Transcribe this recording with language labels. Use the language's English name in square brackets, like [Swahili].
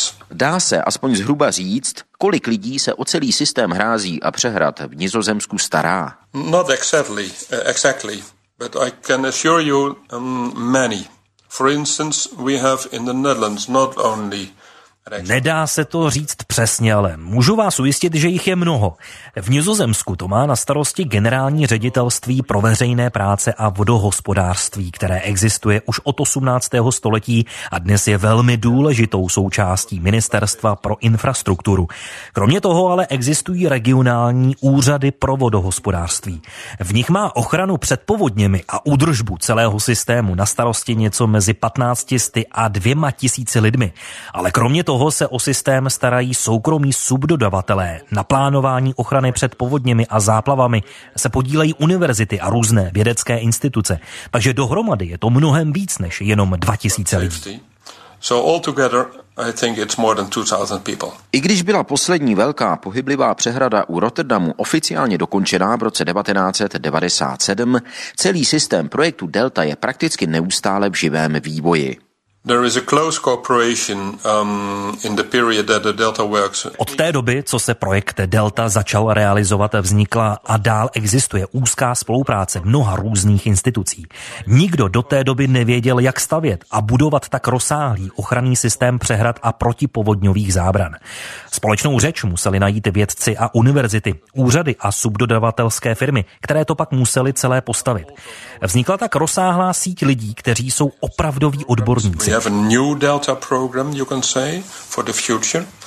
[Czech] Dá se aspoň zhruba říct, kolik lidí se o celý systém hrází a přehrad v Nizozemsku stará? [English] Not exactly, exactly. But I can assure you many. For instance, we have in the Netherlands not only. [Czech] Nedá se to říct přesně, ale můžu vás ujistit, že jich je mnoho. V Nizozemsku to má na starosti generální ředitelství pro veřejné práce a vodohospodářství, které existuje už od 18. století a dnes je velmi důležitou součástí ministerstva pro infrastrukturu. Kromě toho ale existují regionální úřady pro vodohospodářství. V nich má ochranu před povodněmi a údržbu celého systému na starosti něco mezi 1500 a 2000 lidmi. Ale kromě toho se o systém starají soukromí subdodavatelé. Na plánování ochrany před povodněmi a záplavami se podílejí univerzity a různé vědecké instituce. Takže dohromady je to mnohem víc než jenom 2000 lidí. [English] So altogether, I think it's more than 2000 people. [Czech] I když byla poslední velká pohyblivá přehrada u Rotterdamu oficiálně dokončená v roce 1997, celý systém projektu Delta je prakticky neustále v živém vývoji. [English] There is a close cooperation in the period that the Delta works. [Czech] Od té doby, co se projekt Delta začal realizovat, vznikla a dál existuje úzká spolupráce mnoha různých institucí. Nikdo do té doby nevěděl, jak stavět a budovat tak rozsáhlý ochranný systém přehrad a protipovodňových zábran. Společnou řeč museli najít vědci a univerzity, úřady a subdodavatelské firmy, které to pak museli celé postavit. Vznikla tak rozsáhlá síť lidí, kteří jsou opravdoví odborníci. [English] We have a new Delta program, you can say, for the future.